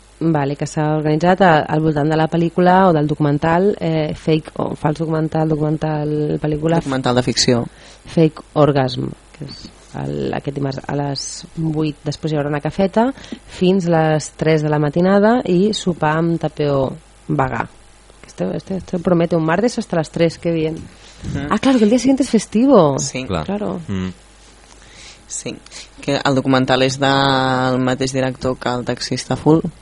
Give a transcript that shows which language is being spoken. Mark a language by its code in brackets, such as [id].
[ca] Vale, que s'ha organitzat al voltant de la pel·lícula o del documental fake o fals documental pel·lícula documental de ficció Fake Orgasm, que és aquest dimarts a les 8, després hi haurà una cafeta fins a les 3 de la matinada i sopar amb tapeo vegà. [es] Esto promete un martes hasta las 3, que bien. Ah, claro, que el día siguiente es festivo. Sí, claro. [ca] Sí, que el documental és del mateix director que el Taxista Full,